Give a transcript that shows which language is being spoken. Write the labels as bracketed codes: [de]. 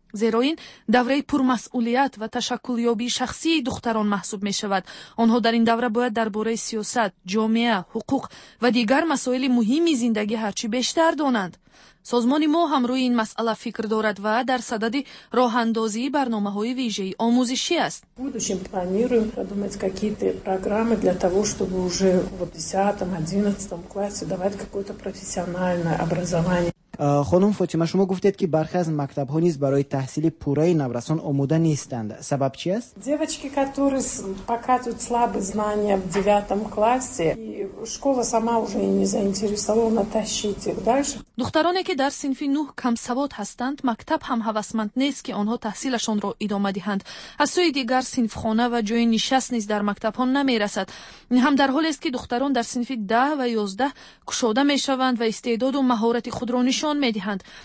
[fa] زیرا این دوره پرمسئولیت و تشکل یابی شخصی دختران محسوب می شود. آنها در این دوره باید درباره سیاست، جامعه، حقوق و دیگر مسائل مهمی زندگی هرچی بیشتر دانند. سازمان ما هم روی این مسئله فکر دارد و در صدد راه اندازی برنامه های ویژه آموزشی است. [ru] будущем планируем продумать какие-то программы для того, чтобы уже в 10-м, 11-м классе давать какое-то профессиональное образование. [fa] خانم فاطمه شما گفتید که برخی از مکتب ها نیز برای تحصیل پوره نورسان آماده نیستند. سبب چی است؟ [ru] девочки, которые показывают слабые знания в 9-м классе, и школа сама уже не заинтересована тащить их дальше. [fa] دخترانی که در صنف 9 کم سواد هستند، مکتب هم هوسمند نیست که آنها تحصیلشان را ادامه دهند. از سوی دیگر صنف خانه و جای نشست نیز در مکتب ها نمی‌رسد. این هم در حالی است که دختران در صنف 10 و 11 کشاده می‌شوند و استعداد و مهارت خود را نشان می‌دهند.